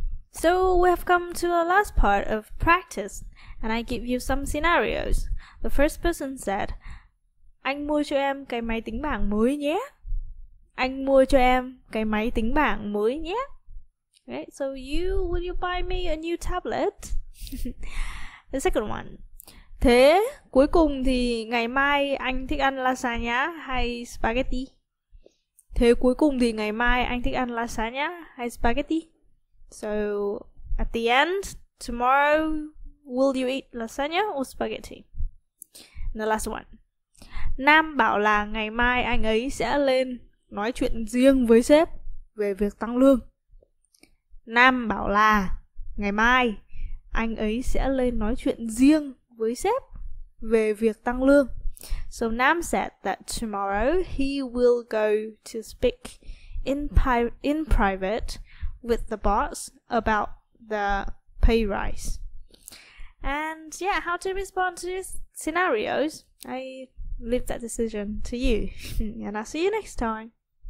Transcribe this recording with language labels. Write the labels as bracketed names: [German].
[English] So we have come to the last part of practice, and I give you some scenarios. The first person said, [Vietnamese] anh mua cho em cái máy tính bảng mới nhé. Anh mua cho em cái máy tính bảng mới nhé. [English] Okay, so will you buy me a new tablet? The second one. [Vietnamese] Thế cuối cùng thì ngày mai anh thích ăn lasagna hay spaghetti? Thế cuối cùng thì ngày mai anh thích ăn lasagna hay spaghetti? [English] So at the end, tomorrow, will you eat lasagna or spaghetti? And the last one. [Vietnamese] Nam bảo là ngày mai anh ấy sẽ lên nói chuyện riêng với sếp về việc tăng lương. Nam bảo là ngày mai anh ấy sẽ lên nói chuyện riêng với sếp về việc tăng lương. [English] So Nam said that tomorrow he will go to speak in private with the boss about the pay rise. And yeah, how to respond to these scenarios, I leave that decision to you. And I'll see you next time.